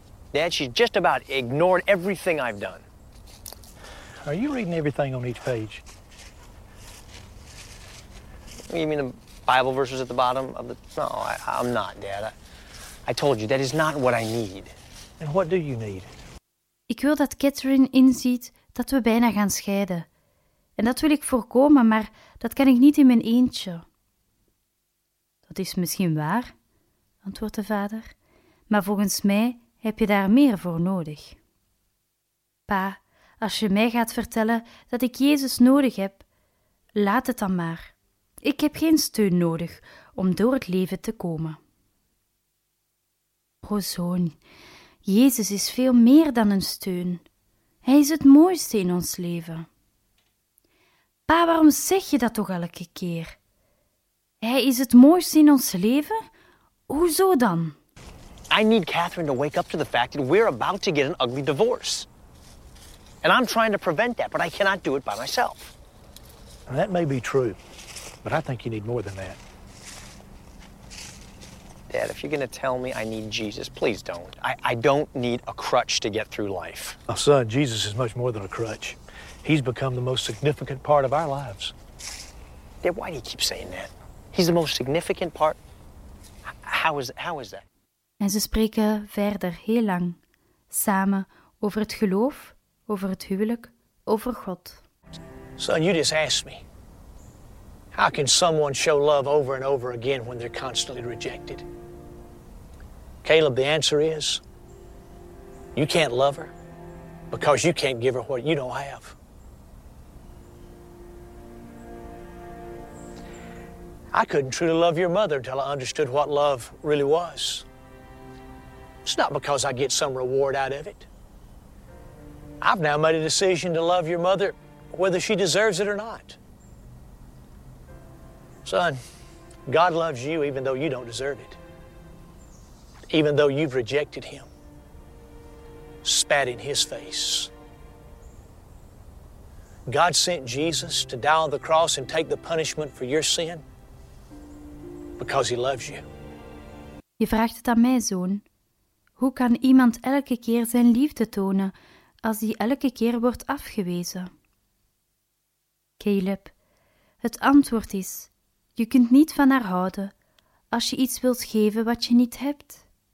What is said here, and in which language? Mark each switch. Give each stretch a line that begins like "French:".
English: Dad, she's just about ignored everything I've done." "Are you reading everything on each page?" "You mean the Bible verses at the bottom of the..." No, I'm not, Dad. I told you, that is not what I need." "And what do you need?"
Dutch: Ik wil dat Catherine inziet dat we bijna gaan scheiden. En dat wil ik voorkomen, maar dat kan ik niet in mijn eentje. "Dat is misschien waar," antwoordt de vader. "Maar volgens mij heb je daar meer voor nodig." "Pa, als je mij gaat vertellen dat ik Jezus nodig heb, laat het dan maar. Ik heb geen steun nodig om door het leven te komen." "O zoon, Jezus is veel meer dan een steun. Hij is het mooiste in ons leven." "Pa, waarom zeg je dat toch elke keer? Hij is het mooiste in ons leven? Hoezo dan?"
English: "I need Catherine to wake up to the fact that we're about to get an ugly divorce. And I'm trying to prevent that, but I cannot do it by myself." "That may be true, but I think you need more than that." "Dad, if you're going to tell me I need Jesus, please don't. I don't need a crutch to get through life." "Now, son, Jesus is much more than a crutch. He's become the most significant part of our lives." "Dad, why do you keep saying that? He's the most significant part? How is that?
Dutch: En ze spreken verder heel lang, samen, over het geloof, over het huwelijk, over God.
English: Son, you just asked me. How can someone show love over and over again when they're constantly rejected? Caleb, the answer is, you can't love her because you can't give her what you don't have. I couldn't truly love your mother until I understood what love really was. It's not because I get some reward out of it. I've now made a decision to love your mother whether she deserves it or not. Son, God loves you even though you don't deserve it. Even though you've rejected him, spat in his face. God sent Jesus to die on the cross and take the punishment for your sin because he loves you.
Dutch: Je vraagt het aan mij, zoon. Hoe kan iemand elke keer zijn liefde tonen als hij elke keer wordt afgewezen? Caleb, het antwoord is: je kunt niet van haar houden als je iets wilt geven wat je niet hebt.